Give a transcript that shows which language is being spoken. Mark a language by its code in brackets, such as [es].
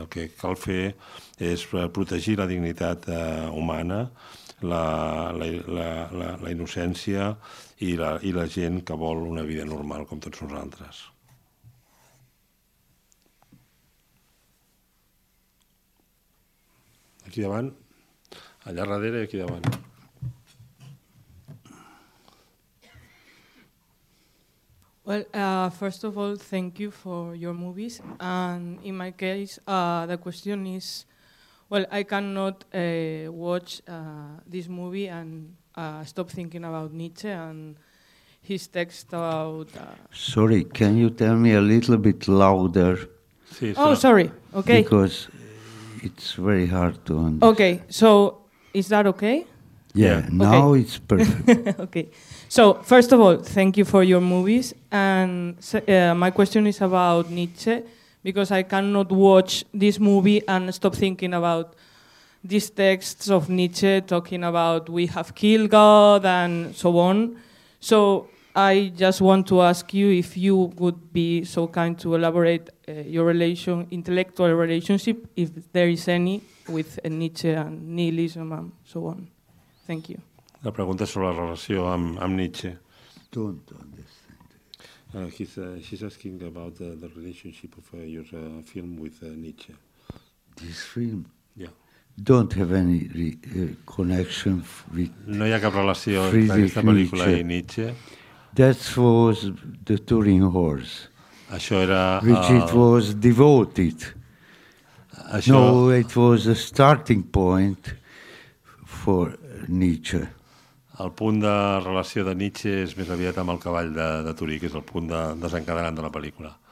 [ca] El que cal fer és protegir la dignitat humana, la innocència i la gent que vol una vida normal com tots nosaltres. Aquí davant, allà darrere i aquí davant. [en] Well, first of all, thank you for your movies. And in my case, the question is, well, I cannot watch this movie and stop thinking about Nietzsche and his text about... Sorry, can you tell me a little bit louder? Sí, oh, sorry, okay. Because it's very hard to understand. Okay, so is that okay? Yeah, now okay. It's perfect. Okay, so first of all, thank you for your movies. And my question is about Nietzsche, because I cannot watch this movie and stop thinking about these texts of Nietzsche talking about we have killed God and so on. So I just want to ask you if you would be so kind to elaborate your intellectual relationship, if there is any, with Nietzsche and nihilism and so on. Thank you. [ca] La pregunta sobre la relació amb Nietzsche. [en] Don't understand. She's asking about the relationship of your film with Nietzsche. This film? Yeah. Don't have any connection with [ca] no hi ha cap relació entre aquesta pel·lícula i Nietzsche. [en] That was the Turing horse. [ca] Això era... [en] Which it was devoted. [ca] Això... [en] No, it was a starting point for Nietzsche. [ca] El punt de relació de Nietzsche és més aviat amb el cavall de Turing, que és el punt de desencadenant de la pel·lícula.